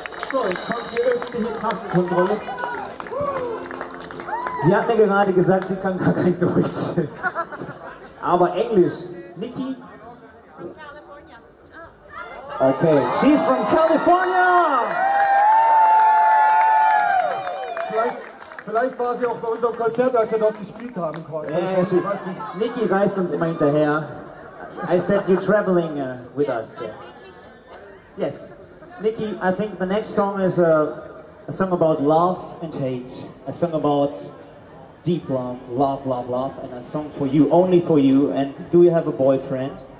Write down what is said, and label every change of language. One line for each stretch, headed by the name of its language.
German: So, jetzt kommt die öffentliche Kassenkontrolle. Sie hat mir gerade gesagt, sie kann gar kein Deutsch. Aber Englisch. Niki?
English: Okay, she's from California!
German: Vielleicht war sie auch bei unserem Konzert, als wir dort gespielt haben. Niki reist uns immer hinterher.
English: I said you're traveling with us. Yes. Niki, I think the next song is a song about love and hate. A song about deep love, love, love, love. And a song for you, only for you. And do you have a boyfriend?